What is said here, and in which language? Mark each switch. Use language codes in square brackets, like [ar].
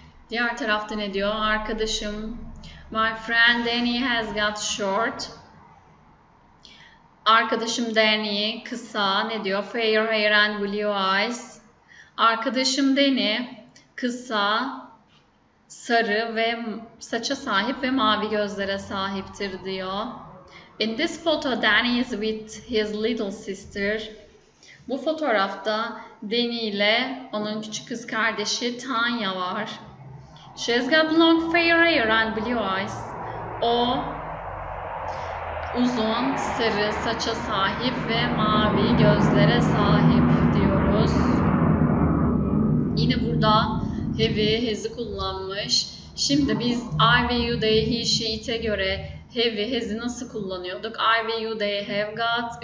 [tr] Diğer tarafta ne diyor? Arkadaşım, [en] my friend Danny has got short. [tr] Arkadaşım Danny kısa. Ne diyor? [en] Fair hair and blue eyes. [tr] Arkadaşım Danny kısa, sarı ve saça sahip ve mavi gözlere sahiptir diyor. [en] In this photo, Danny is with his little sister. [tr] Bu fotoğrafta Danny ile onun küçük kız kardeşi Tanya var. [en] She has got long fair hair and blue eyes. [tr] O uzun, sarı saça sahip ve mavi gözlere sahip diyoruz. Yine burada have'i, has'i kullanmış. Şimdi biz I ve you, they, he, she, it'e göre have'i, has'i nasıl kullanıyorduk? I ve you, [en] they have got.